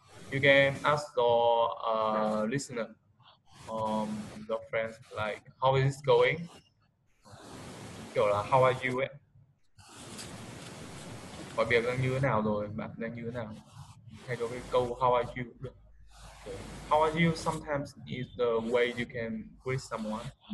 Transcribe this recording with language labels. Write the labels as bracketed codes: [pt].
[en] You can ask your listener, your friends, like, how is it going? [vi] Kiểu là, [en] how are you? [vi] Mọi việc đang như thế nào rồi, bạn đang như thế nào? Hay có cái câu [en] how are you? [vi] Okay. [en] How are you sometimes is the way you can greet someone.